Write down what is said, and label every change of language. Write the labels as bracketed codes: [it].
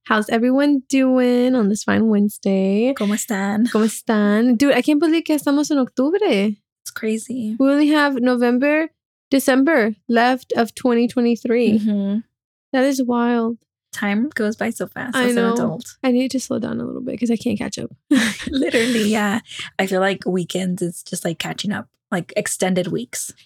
[en] How's everyone doing on this fine Wednesday? [es] ¿Cómo están? ¿Cómo están? [en] Dude, I can't believe [es] que estamos en octubre. [en] It's crazy. We only have November, December left of 2023. Mm-hmm. That is wild. Time goes by so fast as an adult. I need to slow down a little bit because I can't catch up. Literally, yeah. I feel like weekends is just like catching up, like extended weeks.